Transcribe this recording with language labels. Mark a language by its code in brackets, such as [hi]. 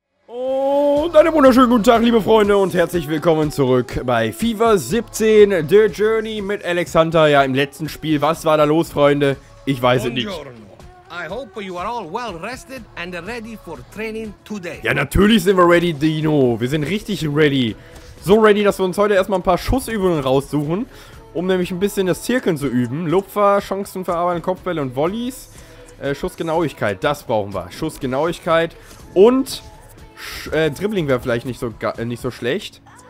[de] Und einen wunderschönen guten Tag, liebe Freunde, und herzlich willkommen zurück bei FIFA 17 The Journey mit Alex Hunter. Ja, im letzten Spiel, was war da los, Freunde? Ich weiß es nicht. [en] I hope you are all well rested and ready for training today. [de] Ja, natürlich sind wir ready, Dino. Wir sind richtig ready. So ready, dass wir uns heute erstmal ein paar Schussübungen raussuchen, um nämlich ein bisschen das Zirkeln zu üben. Lupfer, Chancen verarbeiten, Kopfbälle und Volleys. Schussgenauigkeit, das brauchen wir. Schussgenauigkeit und Dribbling wäre vielleicht nicht so schlecht.